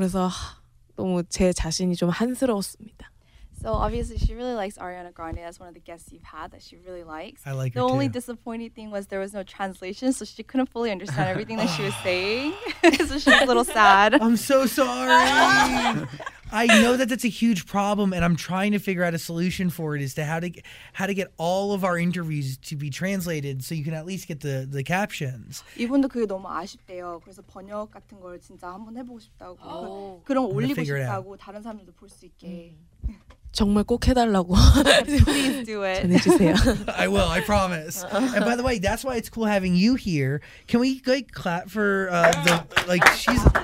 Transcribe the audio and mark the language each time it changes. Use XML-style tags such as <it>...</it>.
<ko>그래서 너무 제 자신이 좀 한스러웠습니다.</ko> <en>So obviously she really likes Ariana Grande. That's one of the guests you've had that she really likes. I like the her only too. Disappointing thing was there was no translation, so she couldn't fully understand everything that she was saying. So she's a little sad. I'm so sorry. I know that that's a huge problem, and I'm trying to figure out a solution for it as to how to get all of our interviews to be translated so you can at least get the captions.</en> <ko>이분도 그게 너무 아쉽대요. 그래서 번역 같은 걸 진짜 한번 해보고 싶다고 그런 거 올리고 싶다고 다른 사람들도 볼 수 있게 정말 꼭 해달라고 전해주세요.</ko> <en>I will. I promise. And by the way, that's why it's cool having you here. Can we like clap for the like she's.</en>